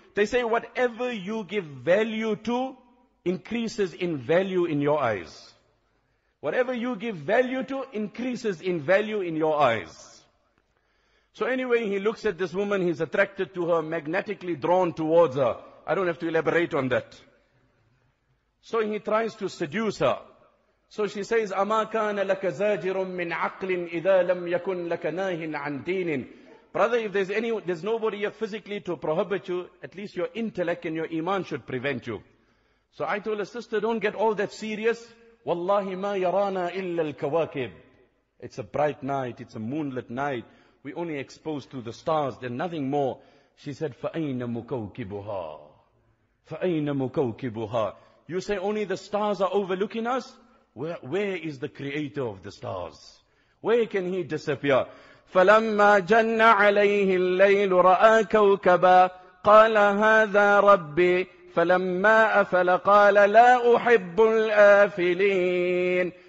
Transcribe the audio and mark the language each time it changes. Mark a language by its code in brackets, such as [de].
[en] They say whatever you give value to increases in value in your eyes. Whatever you give value to increases in value in your eyes. So anyway, he looks at this woman, he's attracted to her, magnetically drawn towards her. I don't have to elaborate on that. So he tries to seduce her. So she says, [ar] أَمَا كَانَ لَكَ زَاجِرٌ مِّنْ عَقْلٍ إِذَا لَمْ يَكُنْ لَكَ نَاهٍ عَنْ دِينٍ. [en] Brother, if there's any, there's nobody here physically to prohibit you, at least your intellect and your iman should prevent you. So I told her, sister, don't get all that serious. [ar] Wallahi ma yarana illa al-kawakib. [en] It's a bright night, it's a moonlit night. We only exposed to the stars, then nothing more. She said, [ar] فَأَيْنَ مُكَوْكِبُهَا فَأَيْنَ مُكَوْكِبُهَا. [en] You say only the stars are overlooking us? Where is the creator of the stars? Where can he disappear? [ar] فَلَمَّا جَنَّ عَلَيْهِ اللَّيْلُ رَآ كَوْكَبًا قَالَ هَذَا رَبِّي فَلَمَّا أَفَلَ قَالَ لَا أُحِبُّ الْآفِلِينَ.